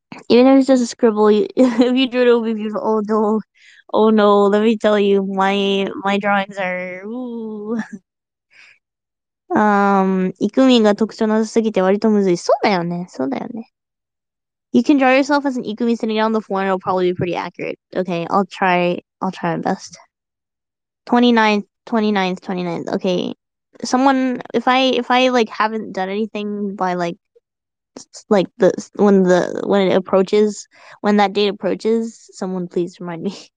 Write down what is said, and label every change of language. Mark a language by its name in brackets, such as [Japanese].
[English] Even if it's just a scribble, if you drew it, it'll be beautiful. Oh no. Oh no, let me tell you, my drawings are ooh. [Japanese] イクミンが特徴なさすぎて割とむずい。そうだよね。そうだよね。 [English] You can draw yourself as an イクミン sitting on the floor and it'll probably be pretty accurate. Okay, I'll try my best. 29th, 29th, 29th. Okay. Someone, if I like haven't done anything by like the when the when it approaches when that date approaches, someone please remind me.